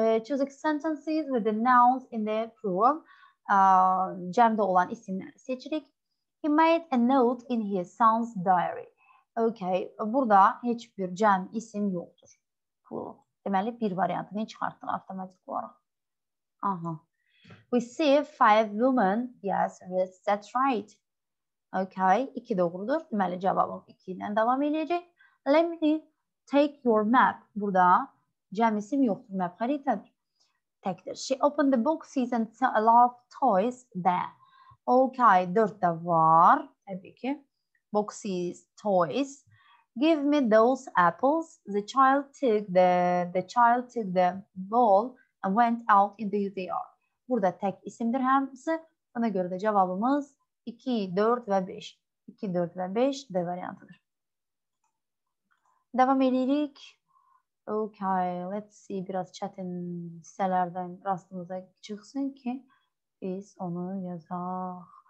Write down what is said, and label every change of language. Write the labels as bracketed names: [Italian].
[English] Choose sentences with the nouns in the plural. [Azerbaijani] Cəmdə olan isimləri seçirik. [English] He made a note in his son's diary. [Azerbaijani] Okay, burada heç bir cəm isim yoxdur. Plural. Deməli, bir variantını çıxartdıq avtomatik olaraq. Aha. [English] We see five women. Yes, that's right. [Azerbaijani] Okay, iki doğrudur. Deməli, cavabım iki ilə davam edəcək. [English] Let me take your map. [Azerbaijani] Burada cəm isim yoxdur. Map xəritədir. Təkdir. [English] She opened the boxes and saw a lot of toys there. [Azerbaijani] Okay, dörd də var. Təbii ki. Boxes, toys. [English] Give me those apples. The child took the ball and went out in the yard. [Azerbaijani] Burada tək isimdir hamısı. Ona görə də cavabımız 2, 4 və 5. 2, 4 və 5 D variantıdır. Davam edirik. [English] Okay, let's see. [Azerbaijani] Biraz çətin hissələrdən rastımıza çıxsın ki, biz onu yazaq.